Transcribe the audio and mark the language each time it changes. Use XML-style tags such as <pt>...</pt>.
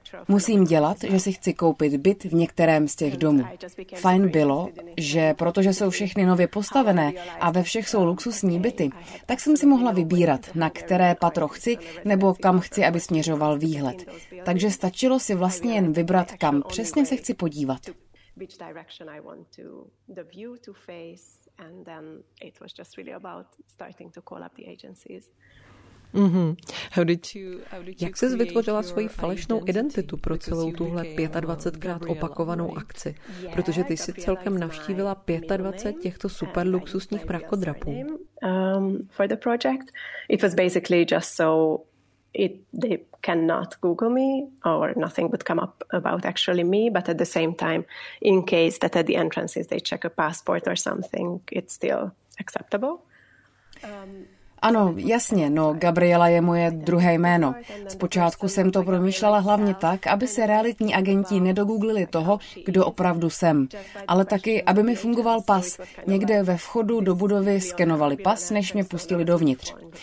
<cs>Musím dělat, že si chci koupit byt v některém z těch domů. Fajn bylo, že protože jsou všechny nově postavené a ve všech jsou luxusní byty, tak jsem si mohla vybírat, na které patro chci nebo kam chci, aby směřoval výhled. Takže stačilo si vlastně jen vybrat, kam přesně se chci podívat.</cs> <en>Which direction I want to the view to face, and then it was just really about starting to call up the agencies. Mm-hmm.</en> <cs>Jak jsi vytvořila svoji falešnou identitu pro celou tuhle 25krát opakovanou akci? Protože ty jsi celkem navštívila 25 těchto super luxusních mrakodrapů.</cs> <en>For the project, it was basically just so they cannot Google me or nothing would come up about actually me, but at the same time, in case that at the entrances they check a passport or something, it's still acceptable.</en> <cs>Ano, jasně, no Gabriela je moje druhé jméno. Zpočátku jsem to promýšlela hlavně tak, aby se realitní agenti nedogooglili toho, kdo opravdu jsem. Ale taky, aby mi fungoval pas. Někde ve vchodu do budovy skenovali pas, než mě pustili dovnitř.</cs>